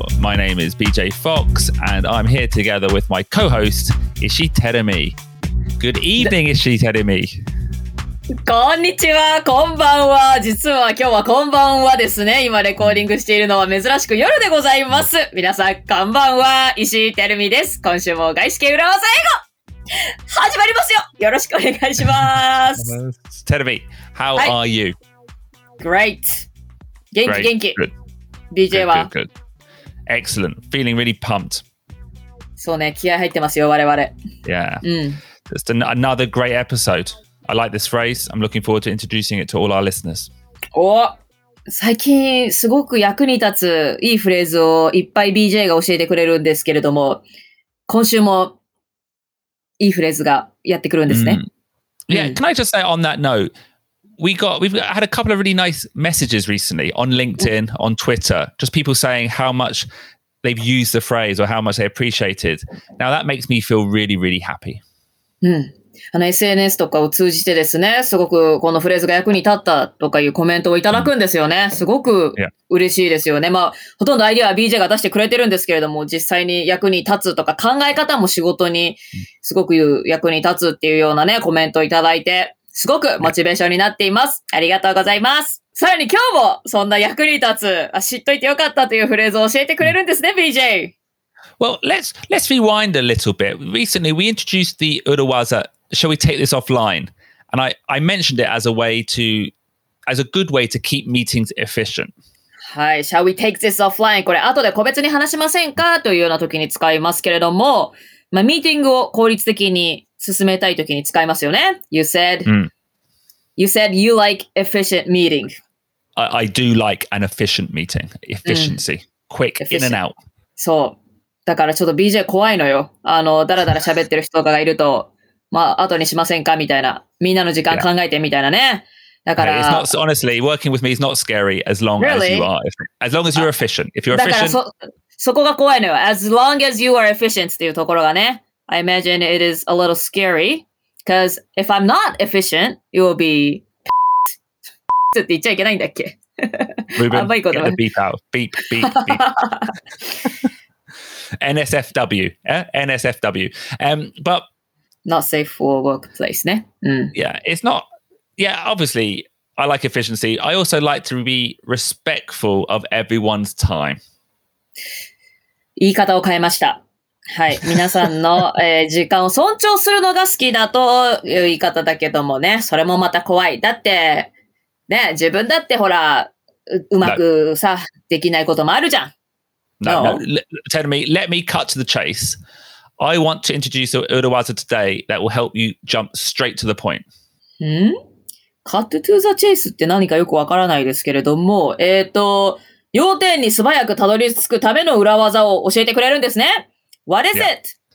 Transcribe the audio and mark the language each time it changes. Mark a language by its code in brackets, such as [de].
[en] My name is BJ Fox, and I'm here together with my co-host, Ishi Terumi. Good evening, Ishi Terumi. [ja] Konnichiwa, konbanwa. 実は今日はこんばんはですね。今レコーディングしているのは珍しく夜でございます。皆さん、こんばんは。Ishi Terumiです。今週も Gaishke Urawaza Ego! 始まりますよ。よろしくお願いします。 [en] Tell me, how are you? Great. [ja] 元気元気。 [en] Good. [ja] BJ は [en] good, good, good. Excellent. Feeling really pumped. [ja] そうね、気合入ってますよ我々。 [en] Yeah. [ja] うん。 [en] Just another great episode. I like this phrase. I'm looking forward to introducing it to all our listeners. [ja] お、最近すごく役に立ついいフレーズをいっぱい BJ が教えてくれるんですけれども、今週もいいフレーズがやってくるんですね。 Mm. [en] Yeah, can I just say on that note, we've had a couple of really nice messages recently on LinkedIn, on Twitter, just people saying how much they've used the phrase or how much they appreciate it. Now that makes me feel really, really happy. [ja] うん。 SNS とかを通じてですね、すごくこのフレーズが役に立ったとかいうコメントをいただくんですよね。すごく嬉しいですよね。まあ、ほとんどアイデアは BJ が出してくれてるんですけれども、実際に役に立つとか考え方も仕事にすごく役に立つっていうようなね、コメントをいただいて、すごくモチベーションになっています。ありがとうございます。さらに今日もそんな役に立つ、あ、知っといてよかったというフレーズを教えてくれるんですね、BJ。 [en] Well, let's rewind a little bit. Recently, we introduced the urawaza, shall we take this offline? And I mentioned it as a good way to keep meetings efficient. [ja] はい、 [en] shall we take this offline? [ja] これ後で個別に話しませんかというような時に使いますけれども、まあ、ミーティングを効率的に進めたい時に使いますよね。 [en] You said you like efficient meeting. I do like an efficient meeting. Efficiency.、うん、Quick, efficient. In and out. [ja] そう。だからちょっと BJ 怖いのよ。だらだら喋ってる人とかがいると、まあ、後にしませんかみたいな。みんなの時間考えてみたいなね。だから。 [en] Yeah, it's not, honestly, working with me is not scary as long、 really? as you are. As long as you're efficient. If you're efficient. [ja] そこが怖いのよ。 [en] As long as you are efficient [ja] っていうところがね。 [en] I imagine it is a little scary. Because if I'm not efficient, it will be p***ed. [ja] って言っちゃいけないんだっけ。 [en] Ruben, get the beep out. Beep, beep, beep. NSFW, yeah? NSFW. But not safe for workplace, ne? Mm. Yeah, it's not. Yeah, obviously, I like efficiency. I also like to be respectful of everyone's time. [ja] 言い方を変えました。はい、皆さんの、時間を尊重するのが好きだという言い方だけどもね、それもまた怖い。だってね、自分だってほら うまくさ、 [en] no. [ja] できないこともあるじゃん。 [en] No, no. Let me cut to the chase. I want to introduce a urawaza today that will help you jump straight to the point. [ja] Hmm? Cut to the chase って何かよくわからないですけれども、要点に素早くたどり着くための裏技を教えてくれるんですね。 [en] What is、yeah. it?